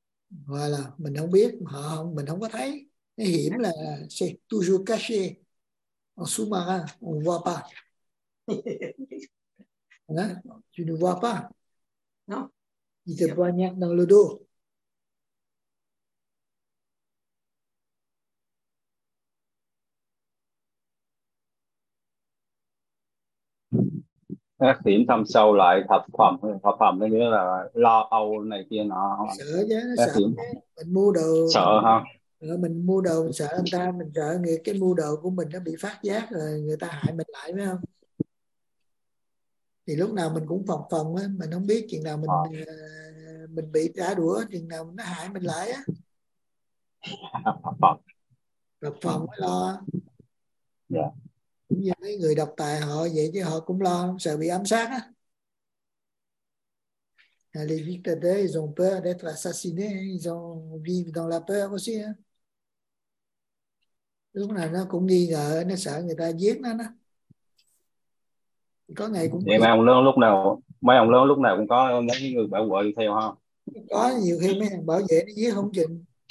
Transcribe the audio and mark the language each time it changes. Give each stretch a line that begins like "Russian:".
Vietnamese: Voilà, mình không biết, mình không có thấy. Cái hiểm là
French: c'est toujours caché, en sous-marin, on ne voit pas. Hein? Tu ne vois pas. Non. Il te poignarde dans le dos.
Vietnamese: Ác hiểm thâm sâu lại thập phẩm có nghĩa là lo âu này kia nọ. Sợ chứ, sợ hiểm. Mình mua đồ. Sợ ha. Mình mua đồ, mình sợ người ta, mình sợ người, cái mua đồ của mình nó bị phát giác rồi người ta hại mình lại, phải không? Thì lúc nào mình cũng phòng phòng á, mình không biết chuyện nào mình bị trả đũa, chuyện nào nó hại mình lại á. Thập phẩm mới lo. Dạ. Cũng như mấy người độc tài họ vậy chứ, họ cũng lo, sợ bị ám sát á.
French: Les dictateurs, ils ont peur d'être assassinés, ils ont vivent dans la peur aussi.
Vietnamese: Lúc nào nó cũng nghi ngờ, nó sợ người ta giết nó. Có ngày cũng... Vậy mấy ông lớn lúc nào cũng có mấy người bảo vệ đi theo ha? Có, nhiều khi mấy ông bảo vệ nó giết không chừng.